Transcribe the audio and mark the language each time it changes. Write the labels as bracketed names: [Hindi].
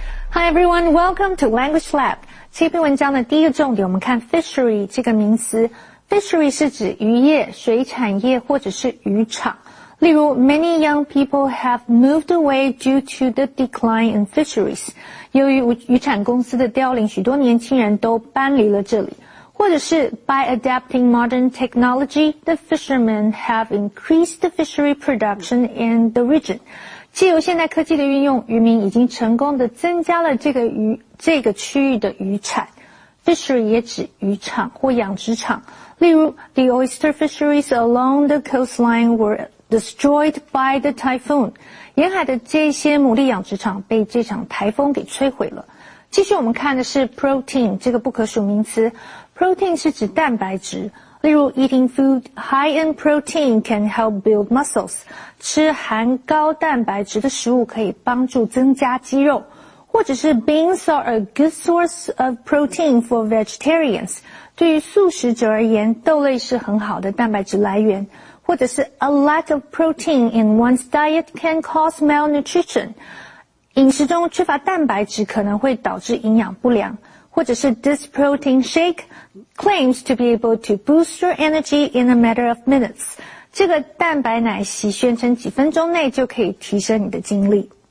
[English] Hi everyone, welcome to Language Lab. [Chinese] 这篇文章的第一个重点，我们看 fishery 这个名词。 Fishery 是指渔业、水产业或者是渔场。例如 [English] ,many young people have moved away due to the decline in fisheries. [Chinese] 由于渔产公司的凋零，许多年轻人都搬离了这里。或者是 [English] ,by adapting modern technology, the fishermen have increased the fishery production in the region. [Chinese] 借由现代科技的运用，渔民已经成功地增加了这个区域的渔产。 Fishery 也指渔场或养殖场。例如 [English] ,the oyster fisheries along the coastline were destroyed by the typhoon. [Chinese] 沿海的这些牡蛎养殖场被这场台风给摧毁了。继续我们看的是 protein, 这个不可数名词。protein 是指蛋白质。例如 [English] ,eating food high in protein can help build muscles. [Chinese] 吃含高蛋白质的食物可以帮助增加肌肉。或者是 [English] ,beans are a good source of protein for vegetarians. [Chinese] 对于素食者而言，豆类是很好的蛋白质来源。或者是 [English] ,a lack of protein in one's diet can cause malnutrition. [Chinese] 饮食中缺乏蛋白质可能会导致营养不良。或者是 [English] ,this protein shake claims to be able to boost your energy in a matter of minutes. [Chinese] 这个蛋白奶昔宣称几分钟内就可以提升你的精力。